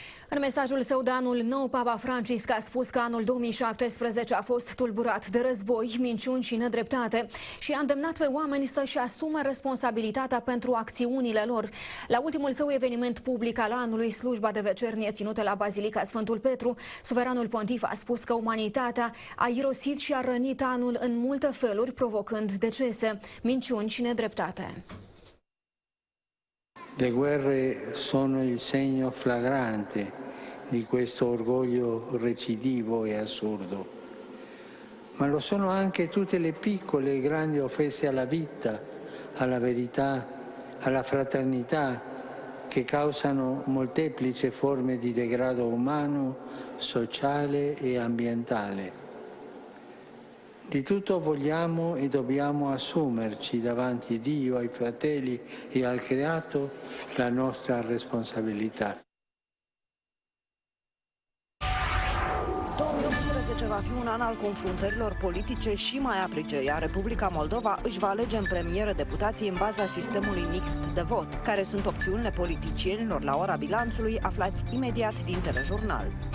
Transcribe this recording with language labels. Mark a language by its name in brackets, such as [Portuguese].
[Romanian] În mesajul său de anul nou, Papa Francisc a spus că anul 2017 a fost tulburat de război, minciuni și nedreptate și a îndemnat pe oameni să-și asume responsabilitatea pentru acțiunile lor. La ultimul său eveniment public al anului, slujba de vecernie ținută la Bazilica Sfântul Petru, suveranul pontif a spus că umanitatea a irosit și a rănit anul în multe feluri, provocând decese, minciuni și nedreptate. [Italian] Le guerre sono il segno flagrante di questo orgoglio recidivo e assurdo. Ma lo sono anche tutte le piccole e grandi offese alla vita, alla verità, alla fraternità, che causano molteplici forme di degrado umano, sociale e ambientale. Di tutto vogliamo e dobbiamo assumerci davanti a Dio, ai fratelli e al creato la nostra responsabilità. [Romanian] 2014 va fi un an al confruntărilor politice și mai aprige, iar Republica Moldova își va alege în premieră deputații în baza sistemului mixt de vot. Care sunt opțiunile politicienilor la ora bilanțului, aflați imediat din telejurnal.